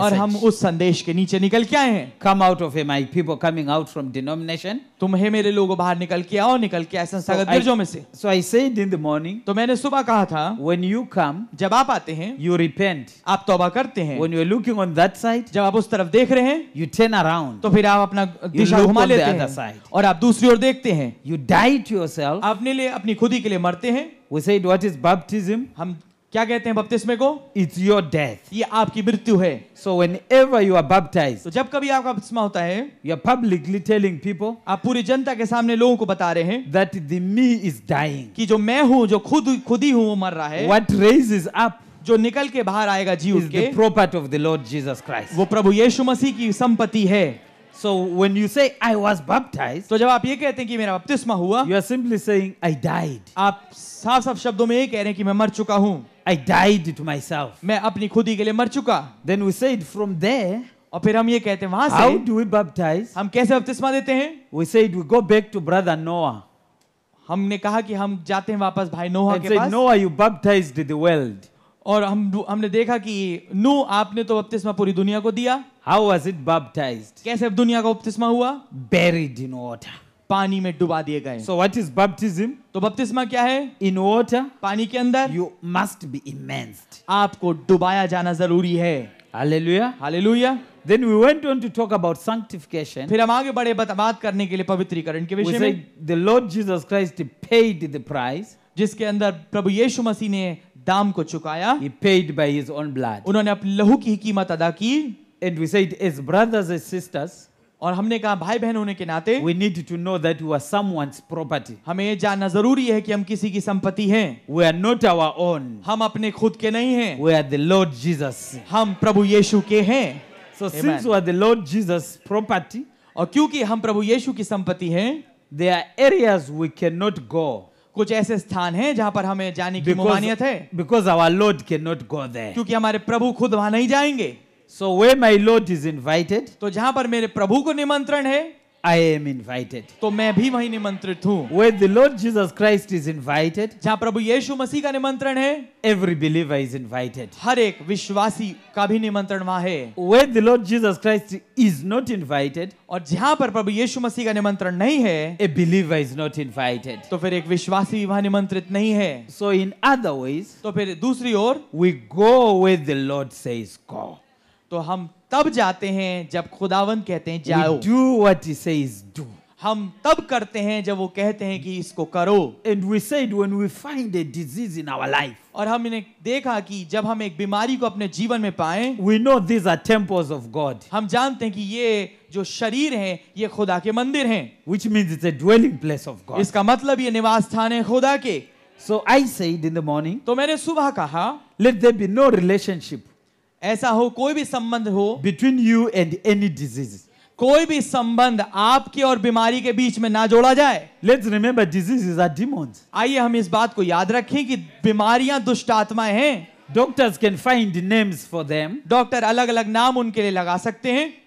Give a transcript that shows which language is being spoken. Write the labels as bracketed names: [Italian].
[Hindi] और हम उस संदेश के नीचे निकल के आए हैं, [English] come out of my people, coming out from denomination, [Hindi] तुम है मेरे लोगों बाहर निकल के आओ, निकल के ऐसे संगत गिरजों में से. [English] So I said in the morning, [Hindi] तो मैंने सुबह कहा था, [English] when you come, [Hindi] जब आप आते हैं, [English] you repent, [Hindi] आप तौबा करते हैं, [English] when you are looking on that side, [Hindi] जब आप उस तरफ देख रहे हैं, [English] you turn around, [Hindi] तो फिर आप अपना दिशा घुमा लेते हैं, और आप दूसरी ओर देखते हैं, [English] you die to yourself, [Hindi] अपने लिए अपनी खुदी के लिए मरते हैं. [English] We said what is baptism, [Hindi] हम क्या कहते हैं बपतिस्मे को, [English] it's your death, [Hindi] ये आपकी मृत्यु है. [English] so whenever you are baptised, [Hindi] तो जब कभी आपका बपतिस्मा होता है, [English] you are publicly telling people, [Hindi] आप पूरी जनता के सामने लोगों को बता रहे हैं, [English] that the me is dying, [Hindi] कि जो मैं हूं, जो खुद ही हूं, वो मर रहा है. [English] what raises up, [Hindi] जो निकल के बाहर आएगा जी, उसके [English] property of the Lord Jesus Christ, [Hindi] वो प्रभु यीशु मसीह की संपत्ति है. [English] So when you say I was baptized, [Hindi] तो जब आप ये कहते हैं कि मेरा बपतिस्मा हुआ, [English] you are simply saying I died. [Hindi] आप साफ साफ शब्दों में ये कह रहे हैं कि मैं मर चुका हूँ. [English] I died to myself. [Hindi] मैं अपनी खुदी के लिए मर चुका. [English] Then we said from there, [Hindi] और फिर हम ये कहते हैं वहाँ से, [English] how do we baptize? [Hindi] हम कैसे बपतिस्मा देते हैं? [English] We said we go back to brother Noah. [Hindi] हमने कहा कि हम जाते हैं वापस भाई नोह के पास. [English] And said, Noah, you baptized the world. [Hindi] और हमने देखा कि नू आपने तो बपतिस्मा पूरी दुनिया को दिया. [English] How was it baptized? [Hindi] कैसे दुनिया का बपतिस्मा हुआ? [English] Buried in water. [Hindi] पानी में डुबा दिए गए. [English] So what is baptism? [Hindi] तो बपतिस्मा क्या है? [English] In water. [Hindi] पानी के अंदर. [English] You must be immersed. [Hindi] आपको डुबाया जाना जरूरी है. Hallelujah. Hallelujah. [English] Then we went on to talk about sanctification. [Hindi] फिर हम आगे बढ़े बात करने के लिए पवित्रीकरण के विषय में. [English] We said the Lord Jesus Christ paid the price. [Hindi] जिसके अंदर प्रभु यीशु मसीह ने दाम को चुकाया. [English] He paid by his own blood. [Hindi] उन्होंने अपने लहू की कीमत अदा की. [English] And we said, as brothers, as sisters, [Hindi] और हमने कहा भाई बहन होने के नाते, [English] we need to know that we are someone's property. [Hindi] हमें ये जानना जरूरी है कि हम किसी की संपत्ति हैं. [English] We are not our own. [Hindi] हम अपने खुद के नहीं हैं. [English] We are the Lord Jesus. [Hindi] हम प्रभु यीशु के हैं. [English] So Amen. Since we are the Lord Jesus' property, [Hindi] और क्योंकि हम प्रभु यीशु की संपत्ति हैं, [English] there are areas we cannot go. [Hindi] कुछ ऐसे स्थान हैं जहां पर हमें जाने की मुमानियत है. [English] Because our Lord cannot go there. [Hindi] क्योंकि हमारे प्रभु खुद वहां नहीं जाएंगे. [English] So where my Lord is invited, [Hindi] तो जहां पर मेरे प्रभु को निमंत्रण है, [English] I am invited. [Hindi] तो मैं भी वहीं निमंत्रित हूँ. [English] Where the Lord Jesus Christ is invited, [Hindi] जहां प्रभु यीशु मसीह का निमंत्रण है, [English] every believer is invited. [Hindi] हर एक विश्वासी का भी निमंत्रण वहां है. [English] Where the Lord Jesus Christ is not invited, [Hindi] और जहां पर प्रभु यीशु मसीह का निमंत्रण नहीं है, [English] a believer is not invited. [Hindi] तो फिर एक विश्वासी भी वहां निमंत्रित नहीं है. [English] So in other ways, [Hindi] तो फिर दूसरी ओर, [English] we go where the Lord says go. [Hindi] तो हम तब जाते हैं जब खुदावंद कहते हैं जाओ. [English] We do what he says do. [Hindi] हम तब करते हैं जब वो कहते हैं कि इसको करो. [English] And we said when we find a disease in our life. [Hindi] और हमने देखा कि जब हम एक बीमारी को अपने जीवन में पाएं, [English] we know these are temples of God. [Hindi] हम जानते हैं कि ये जो शरीर है ये खुदा के मंदिर हैं. [English] Which means it's a dwelling place of God. [Hindi] इसका मतलब ये निवास स्थान है खुदा के. [English] So I said in the morning. [Hindi] तो मैंने सुबह कहा, [English] let there be no relationship. [Hindi] ऐसा हो कोई भी संबंध हो, [English] between you and any disease, [Hindi] कोई भी संबंध आपके और बीमारी के बीच में ना जोड़ा जाए. [English] Let's remember diseases are demons. [Hindi] आइए हम इस बात को याद रखें कि बीमारियां दुष्ट आत्माएं हैं. [English] Doctors can find names for them. [Hindi] Doctor अलग अलग नाम उनके लिए लगा सकते हैं.